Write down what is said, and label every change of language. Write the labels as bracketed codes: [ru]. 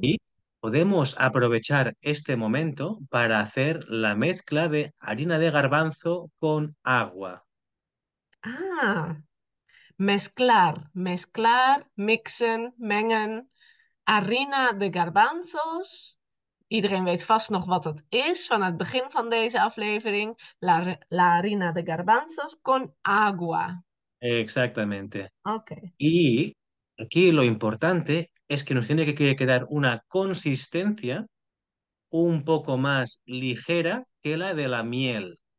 [es] Y podemos aprovechar este momento para hacer la mezcla de harina de garbanzo con agua. Ah, mezclar, mezclar, mixen, mengen. Harina de garbanzos. [nl] Iedereen weet vast nog wat dat is van het begin van deze aflevering. [es] La harina de garbanzos con agua. Exactamente. Okay. Y aquí lo importante es que nos tiene que quedar una consistencia un poco más ligera que la de la miel.